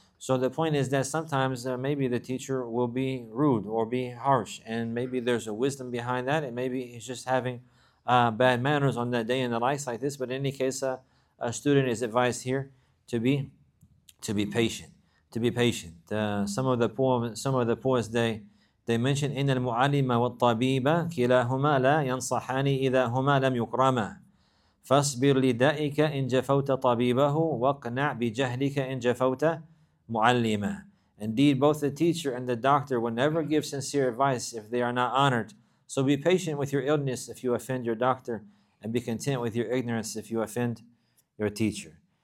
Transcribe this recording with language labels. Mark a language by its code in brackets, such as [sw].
[en] So the point is that sometimes maybe the teacher will be rude or be harsh, and maybe there's a wisdom behind that, and maybe he's just having bad manners on that day and the likes like this. But in any case, a student is advised here to be patient. Some of the poets they mention, [ar] إِنَّ الْمُعَلِّمَ وَالطَّبِيبَ كِلَاهُمَا لَا يَنْصَحَانِ إِذَا هُمَا لَمْ يُكْرَمَا فاصبر لدائك إن جفوت طبيبه واقنع بجهلك إن جفوت معلمه. [en] Indeed, both the teacher and the doctor will never give sincere advice if they are not honored. So be patient with your illness if you offend your doctor, and be content with your ignorance if you offend your teacher.